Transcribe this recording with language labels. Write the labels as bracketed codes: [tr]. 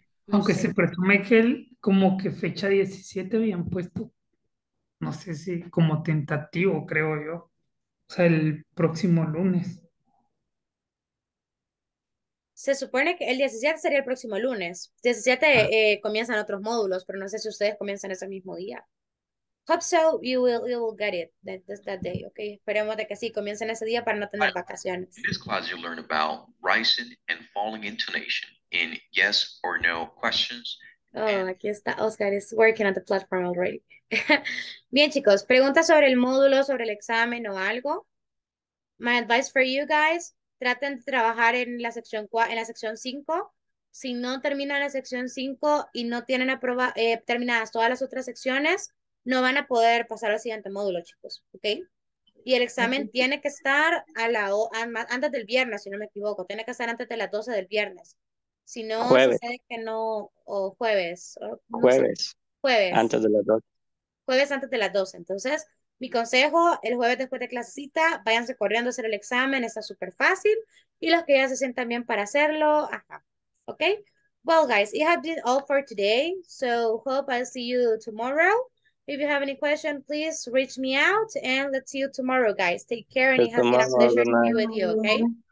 [es] Aunque se presume que él, como que fecha 17 habían puesto, no sé si como tentativo, creo yo, o sea, el próximo lunes. Se supone que el 17 sería el próximo lunes. 17 comienzan otros módulos, pero no sé si ustedes comienzan ese mismo día. [en] Hope so, you will get it that day, ok? [es] Esperemos de que sí, comiencen ese día para no tener vacaciones. [en] In this class, you'll learn about rising and falling intonation in yes or no questions. [es] Oh, aquí está. [en] Oscar is working on the platform already. [es] Bien, chicos, ¿preguntas sobre el módulo, sobre el examen o algo? [en] My advice for you guys, [es] traten de trabajar en la sección 5. Si no terminan la sección 5 y no tienen terminadas todas las otras secciones, no van a poder pasar al siguiente módulo, chicos, ¿ok? Y el examen tiene que estar antes del viernes, si no me equivoco. Tiene que estar antes de las 12 del viernes. Si no, jueves. Sucede que no, o jueves. O no jueves. Sé, jueves. Antes de las 12. Jueves antes de las 12. Entonces, mi consejo, el jueves después de clasecita, váyanse corriendo a hacer el examen, está súper fácil. Y los que ya se sientan bien para hacerlo, ajá, ¿ok? [en] Well, guys, it has been all for today, so hope I'll see you tomorrow. If you have any question, please reach me out and let's see you tomorrow, guys. Take care and it has been a pleasure to be with you, okay?